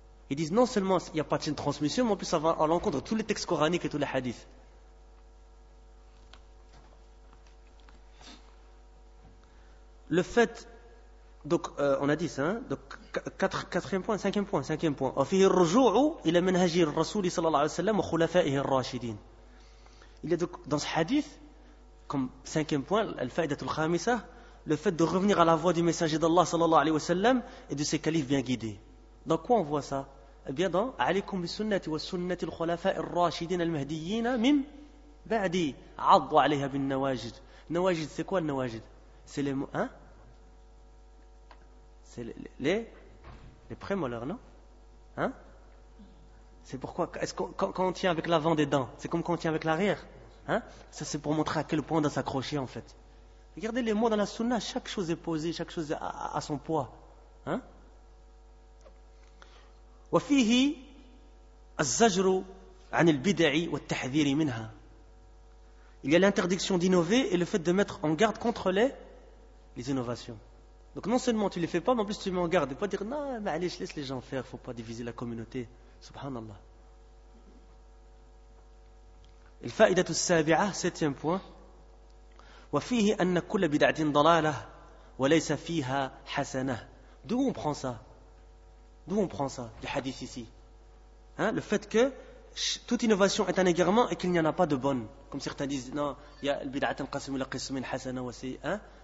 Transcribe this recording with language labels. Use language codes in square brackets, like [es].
[fr] Ils disent non seulement il n'y a pas de chaîne de transmission, mais en plus ça va à l'encontre de tous les textes coraniques et tous les hadiths. Le fait, donc on a dit ça, hein, donc cinquième point. [ar] وفيه الرجوع إلى منهج الرسول صلى الله عليه وسلم وخلفائه الراشدين. [fr] Il y a donc dans ce hadith, comme cinquième point, [ar] الفائدة الخامسة, [fr] le fait de revenir à la voie du messager d'Allah [ar] صلى الله عليه وسلم [fr] et de ses califes bien guidés. Dans quoi on voit ça ? Eh bien dans [ar] عليكم بالسنة والسنة الخلفاء الراشدين المهديين من بعد عضوا عليها بالنواجد. [fr] نواجد c'est quoi le نواجد ? C'est les mots, hein? C'est les prémolaires, non? Hein? C'est pourquoi, est-ce qu'on, quand on tient avec l'avant des dents, c'est comme quand on tient avec l'arrière, hein? Ça, c'est pour montrer à quel point on doit s'accrocher, en fait. Regardez les mots dans la sunna, chaque chose est posée, chaque chose a son poids, hein? [ar] وفيه الزجر عن البدع والتحذير منها. [fr] Il y a l'interdiction d'innover et le fait de mettre en garde contre les innovations. Donc non seulement tu ne les fais pas, mais en plus tu mets en garde. Et pas dire, non, mais allez, je laisse les gens faire, il ne faut pas diviser la communauté. Subhanallah. [ar] الفائدة السابعة, [fr] septième point. [ar] وفيه أن كل بدعة ضلالة وليس فيها حسنة. [fr] D'où on prend ça? D'où on prend ça, du hadith ici? Hein? Le fait que toute innovation est un égarement et qu'il n'y en a pas de bonne. Comme certains disent, non, il y a le bid'at al-qasim ou la qasim al-hasana ou c'est, hein?